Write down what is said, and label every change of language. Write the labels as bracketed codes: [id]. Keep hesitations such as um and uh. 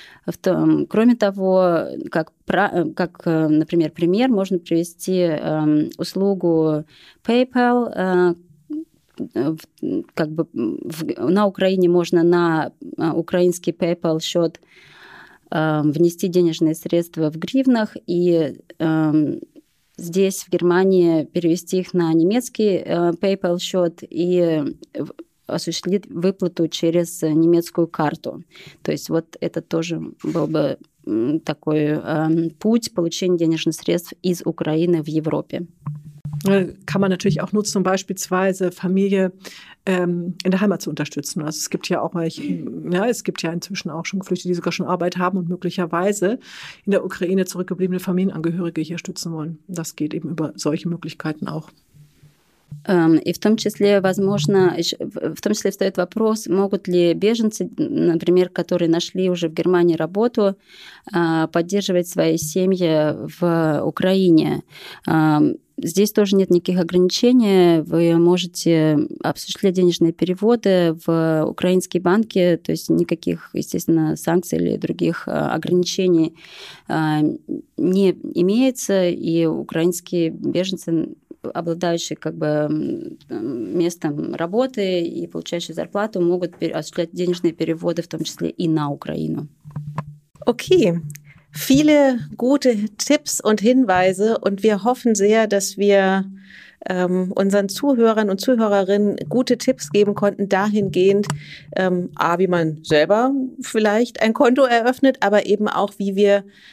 [ru] В том, кроме того, как как, например, пример, можно привести э, услугу PayPal. Э, в, как бы в, на Украине можно на украинский PayPal счет э, внести денежные средства в гривнах и здесь в Германии перевести их на немецкий PayPal счет и осуществить выплату через немецкую карту. То есть вот это тоже был бы такой ähm, путь получения денежных средств из Украины в Европе. [de] Kann man natürlich auch nutzen, um beispielsweise Familie ähm, in der Heimat zu unterstützen. Also es gibt ja auch, ich, ja, es gibt ja inzwischen auch schon Geflüchtete, die sogar schon Arbeit haben und möglicherweise in der Ukraine zurückgebliebene Familienangehörige hier stützen wollen. Das geht eben über solche Möglichkeiten auch. [ru] И в том числе, возможно, в том числе встает вопрос, могут ли беженцы, например, которые нашли уже в Германии работу, поддерживать свои семьи в Украине. Здесь тоже нет никаких ограничений. Вы можете осуществлять денежные переводы в украинские банки, то есть никаких, естественно, санкций или других ограничений не имеется, и украинские беженцы обладающие как бы местом работы и получающие зарплату, могут осуществлять денежные переводы, в том числе и на Украину. [de] Okay. Viele gute Tipps und Hinweise und wir hoffen sehr, dass wir ähm, unseren Zuhörern und Zuhörerinnen gute Tipps geben konnten, dahingehend, ähm, A, wie man selber vielleicht ein Konto eröffnet, aber eben auch, wie wir